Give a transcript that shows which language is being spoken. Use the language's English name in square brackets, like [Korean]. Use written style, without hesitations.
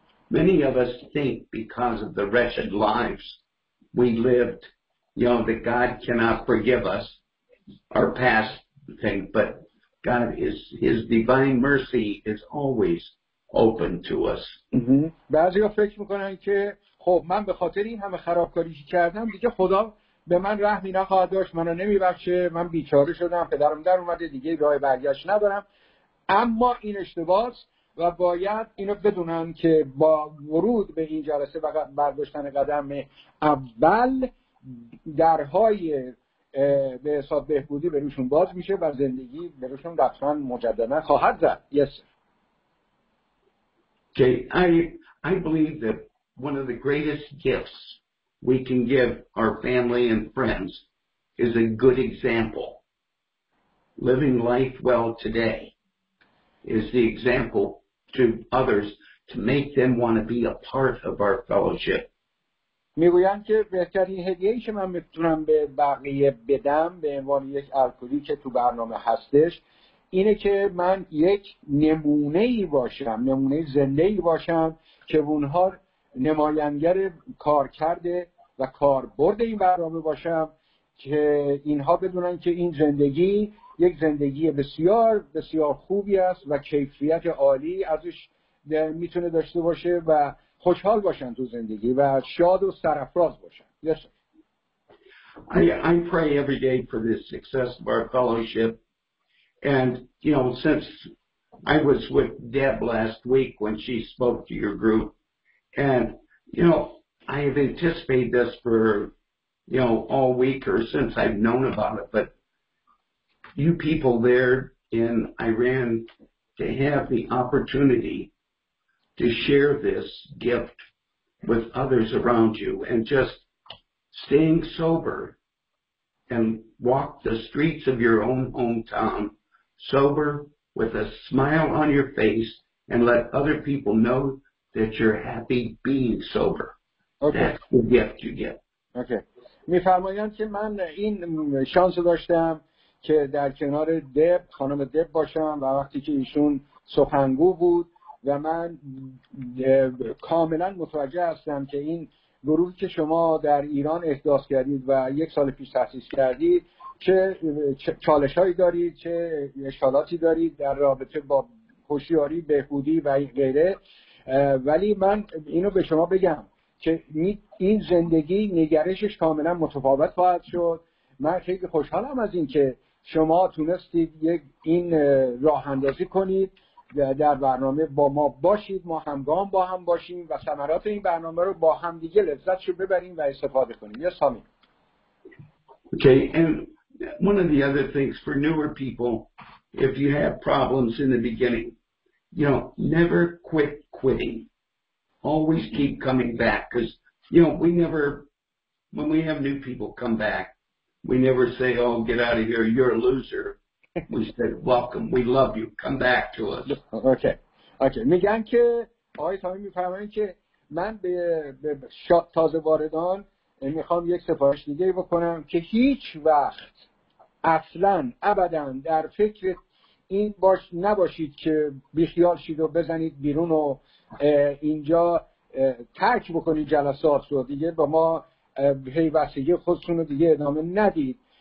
[English] Many of us think because of the wretched lives we lived, you know, that God cannot forgive us our past thing, but God is, his divine mercy is always open to us. [Persian] بعضی ها فکر میکنن که خب من به خاطر این همه خرابکاری کردم دیگه خدا به من رحمی نخواهد داشت، منو نمیبخشه، من بیچاره شدم، پدرم در اومده، دیگه راه برگشت ندارم. اما این اشتباه است و باید اینو بدونن که با ورود به این جلسه و برداشتن قدم اول درهای به حساب بهبودی بروشون باز میشه و زندگی بروشون دفتران مجددن خواهد زد. [English] Yes. Okay. I believe that one of the greatest gifts we can give our family and friends is a good example. Living life well today is the example to others to make them want to be a part of our fellowship. [Persian] میگویم که بهترین هدیه‌ای که من میتونم به بقیه بدم به عنوان یک الکلی که تو برنامه هستش اینه که من یک نمونه‌ای باشم، نمونه زنده‌ای باشم که اونها نماینده کار کرده و کاربرد این برنامه باشم که اینها بدونن که این زندگی یک زندگی بسیار بسیار خوبی است و کیفیت عالی ازش میتونه داشته باشه و خوشحال باشن تو زندگی و شاد و سرفراز باشن. [English] Yes. I pray every day for the success of our fellowship. And, you know, since I was with Deb last week when she spoke to your group, and, you know, I have anticipated this for, you know, all week or since I've known about it, but you people there in Iran to have the opportunity to share this gift with others around you and just staying sober and walk the streets of your own hometown sober with a smile on your face and let other people know that you're happy being sober. Okay. That's the gift you get. Okay. [Persian] می فرمایم که من این شانس داشتم که در کنار دب خانم دب باشم و وقتی که ایشون سخنگو بود و من کاملا متوجه هستم که این گروهی که شما در ایران احداث کردید و یک سال پیش تأسیس کردید چه چالش هایی دارید، چه اشکالاتی دارید در رابطه با هوشیاری، بهبودی و غیره، ولی من اینو به شما بگم که این زندگی نگرشش کاملا متفاوت خواهد شد. من خیلی خوشحالم از این که شما تونستید این راه اندازی کنید، در برنامه با ما باشید، ما همگام با هم باشیم و ثمرات این برنامه رو با هم دیگه لذتشو ببریم و استفاده کنیم. یا سامی. [English] Okay, and one of the other things for newer people, if you have problems in the beginning, you know, never quit quitting. Always keep coming back, because, you know, when we have new people come back, we never say, oh, get out of here, you're a loser. We said, welcome, we love you, come back to us. Okay. Okay. [Persian] میگن که آقای تامی میفرمایند که من به تازه واردان میخوام یک سفارش دیگه بکنم که هیچ وقت اصلا ابدا در فکر این باش نباشید که بیخیال شید و بزنید بیرون و اینجا ترک بکنید جلسات رو دیگه با ما پیوستگی خودتون رو دیگه ادامه ندید.